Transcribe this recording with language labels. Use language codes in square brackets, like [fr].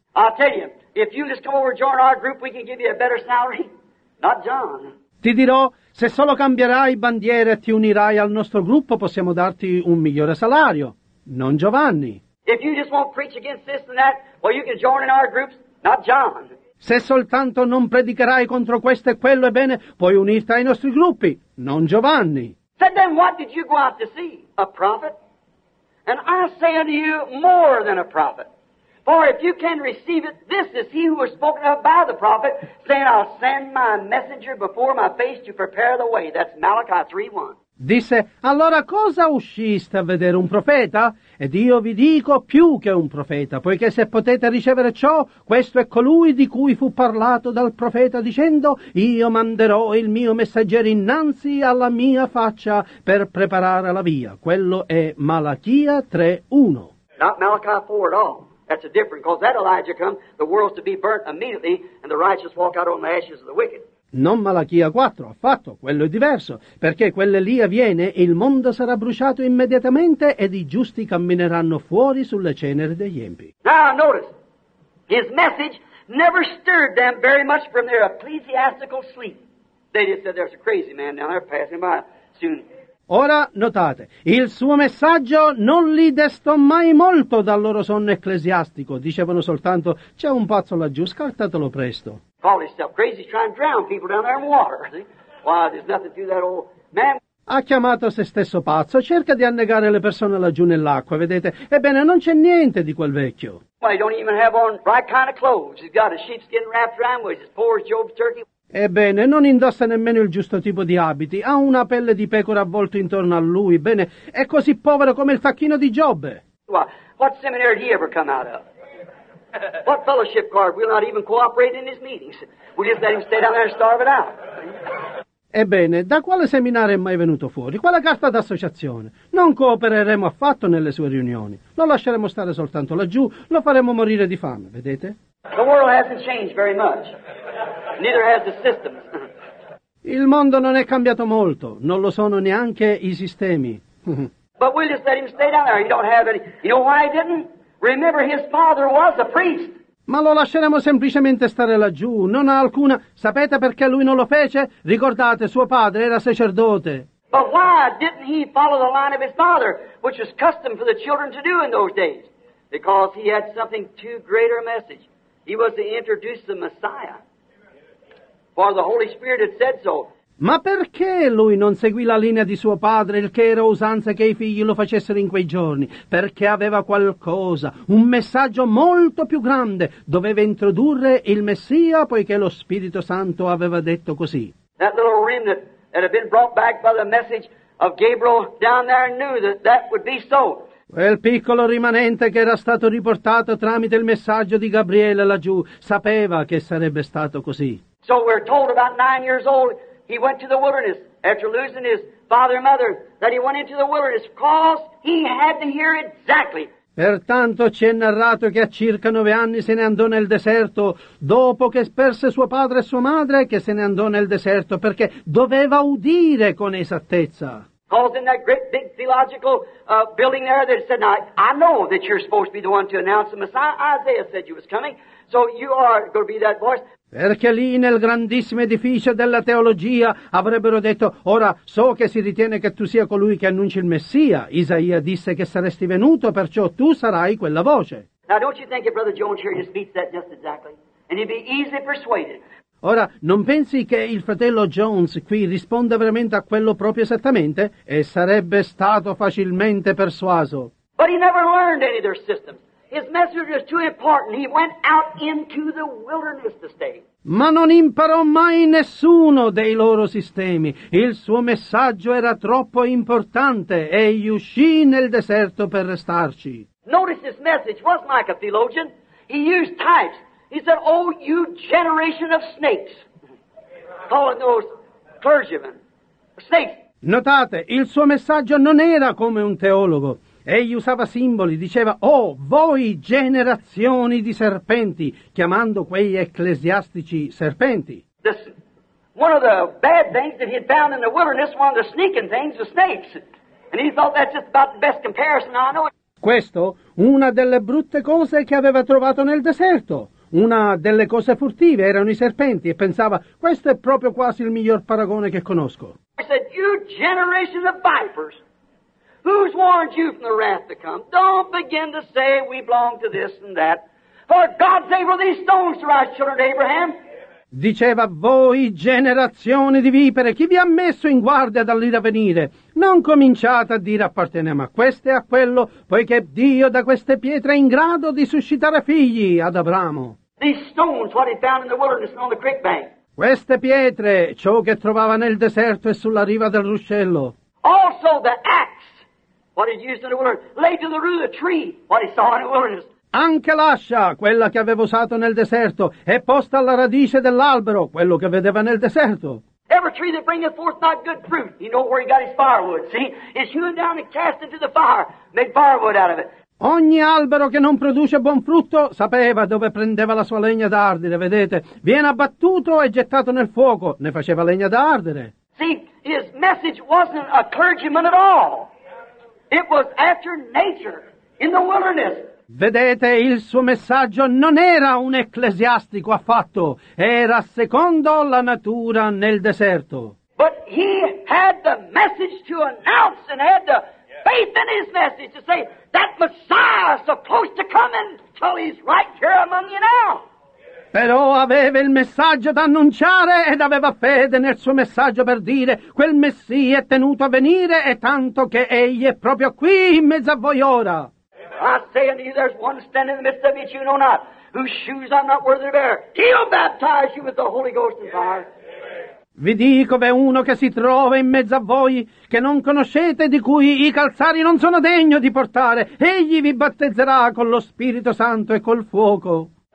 [en] I'll tell you, if you just come over and join our group, we can give you a better salary. Not John. [it] Ti dirò, se solo cambierai bandiera e ti unirai al nostro gruppo, possiamo darti un migliore salario. Non Giovanni. [en] If you just won't preach against this and that, well, you can join in our groups. Not John. [it] Se soltanto non predicherai contro questo e quello, ebbene, puoi unirti ai nostri gruppi. Non Giovanni. [en] Said, then what did you go out to see? A prophet? And I say unto you, more than a prophet. For if you can receive it, this is he who was spoken of by the prophet, saying, I'll send my messenger before my face to prepare the way. That's Malachi 3:1. [it] Disse, allora cosa usciste a vedere, un profeta? Ed io vi dico, più che un profeta, poiché se potete ricevere ciò, questo è colui di cui fu parlato dal profeta dicendo, io manderò il mio messaggero innanzi alla mia faccia per preparare la via. Quello è Malachia 3:1. [en] Not Malachi 4 at all. That's a different, because that Elijah come, the world's to be burnt immediately, and the righteous walk out on the ashes of the wicked. [it] Non Malachia 4, affatto, quello è diverso, perché quell'Elia viene, il mondo sarà bruciato immediatamente ed i giusti cammineranno fuori sulle ceneri degli empi. [en] Now notice, his message never stirred them very much from their ecclesiastical sleep. They just said, there's a crazy man down there passing by soon. [it] Ora notate, il suo messaggio non li destò mai molto dal loro sonno ecclesiastico. Dicevano soltanto, c'è un pazzo laggiù, scartatelo presto. [en] Call himself crazy, trying to drown people down there in water. Why, there's nothing to that old man. [it] Ha chiamato se stesso pazzo, cerca di annegare le persone laggiù nell'acqua, vedete? Ebbene, non c'è niente di quel vecchio. [en] Well, he don't even have on right kind of clothes. He's got a sheepskin wrapped around him, he's as poor as Job's turkey. [it] Ebbene, non indossa nemmeno il giusto tipo di abiti. Ha una pelle di pecora avvolto intorno a lui. Bene, è così povero come il tacchino di Giobbe. [en] What seminary did he ever come out of? What fellowship card? We'll not even cooperate in his meetings. We'll just let him stay down there and starve it out. [it] Ebbene, da quale seminario è mai venuto fuori? Quale casta d'associazione? Non coopereremo affatto nelle sue riunioni. Lo lasceremo stare soltanto laggiù, lo faremo morire di fame, vedete? [en] The world hasn't changed very much. Neither has the systems. [it] Il mondo non è cambiato molto, non lo sono neanche i sistemi. [en] But we'll just let him stay down there. He don't have any... You know why he didn't? Remember, his father was a priest. [it] Ma lo lasceremo semplicemente stare laggiù, non ha alcuna... Sapete perché lui non lo fece? Ricordate, suo padre era sacerdote. [en] But why didn't he follow the line of his father, which was custom for the children to do in those days? Because he had something too greater a message. He was to introduce the Messiah. For the Holy Spirit had said so. [it] Ma perché lui non seguì la linea di suo padre, il che era usanza che i figli lo facessero in quei giorni? Perché aveva qualcosa, un messaggio molto più grande. Doveva introdurre il Messia, poiché lo Spirito Santo aveva detto così. [en] That little remnant that had been brought back by the message of Gabriel down there knew that that would be so. [it] Quel piccolo rimanente che era stato riportato tramite il messaggio di Gabriele laggiù sapeva che sarebbe stato così. [en] So we're told about 9 years old. He went to the wilderness after losing his father and mother, that he went into the wilderness because he had to hear exactly. [it] Pertanto ci è narrato che a circa 9 anni se ne andò nel deserto, dopo che perse suo padre e sua madre, che se ne andò nel deserto perché doveva udire con esattezza. [en] Because in that great big theological building there, they said, now, I know that you're supposed to be the one to announce the Messiah. Isaiah said you was coming, so you are going to be that voice. [it] Perché lì nel grandissimo edificio della teologia avrebbero detto, ora so che si ritiene che tu sia colui che annunci il Messia. Isaia disse che saresti venuto, perciò tu sarai quella voce. [en] Now don't you think if Brother Jones here just beats that just exactly? And he'd be easily persuaded. [it] Ora, non pensi che il fratello Jones qui risponda veramente a quello proprio esattamente? E sarebbe stato facilmente persuaso. [en] But he never learned any of their systems. His message was too important. He went out into the wilderness to stay. [it] Ma non imparò mai nessuno dei loro sistemi. Il suo messaggio era troppo importante. Egli uscì nel deserto per restarci. [en] Notice his message wasn't like a theologian. He used types. He said, oh, you generation of snakes. Calling those clergymen. Snakes. [it] Notate, il suo messaggio non era come un teologo. Egli usava simboli, diceva, oh, voi generazioni di serpenti, chiamando quegli ecclesiastici serpenti. [en] One of the bad things that he had found in the wilderness, one of the sneaking things, was snakes. And he thought that's just about the best comparison I know. [it] Questo, una delle brutte cose che aveva trovato nel deserto. Una delle cose furtive erano i serpenti, e pensava, questo è proprio quasi il miglior paragone che conosco. [en] I said, you generation of vipers. Who's warned you from the wrath to come? Don't begin to say we belong to this and that. For God's able these stones to rise, children of Abraham. [it] Diceva, voi generazioni di vipere, chi vi ha messo in guardia dall'ira venire? Non cominciate a dire apparteniamo a questo e a quello, poiché Dio da queste pietre è in grado di suscitare figli ad Abramo. [en] These stones, what he found in the wilderness and on the creek bank. [it] Queste pietre, ciò che trovava nel deserto e sulla riva del ruscello. [en] Also the axe. What he used in the wilderness, laid to the root of the tree, what he saw in the wilderness. [it] Anche l'ascia, quella che aveva usato nel deserto, è posta alla radice dell'albero, quello che vedeva nel deserto. [en] Every tree that bringeth forth not good fruit, you know where he got his firewood, see? It's hewn down and cast into the fire, made firewood out of it. [it] Ogni albero che non produce buon frutto, sapeva dove prendeva la sua legna da ardere, vedete? Viene abbattuto e gettato nel fuoco, ne faceva legna da ardere. [en] See, his message wasn't a clergyman at all. It was after nature, in the wilderness. [it] Vedete, il suo messaggio non era un ecclesiastico affatto. Era secondo la natura nel deserto. [en] But he had the message to announce and had the faith in his message to say, that Messiah is supposed to come and so he's right here among you now. [it] Però aveva il messaggio da annunciare ed aveva fede nel suo messaggio per dire quel Messia è tenuto a venire e tanto che egli è proprio qui in mezzo a voi ora. [en] I say unto you, there's one standing in the midst of you that you know not, whose shoes I'm not worthy to bear. He'll baptize you with the Holy Ghost and fire. [it] Vi dico, v'è uno che si trova in mezzo a voi, che non conoscete, di cui i calzari non sono degno di portare. Egli vi battezzerà con lo Spirito Santo e col fuoco.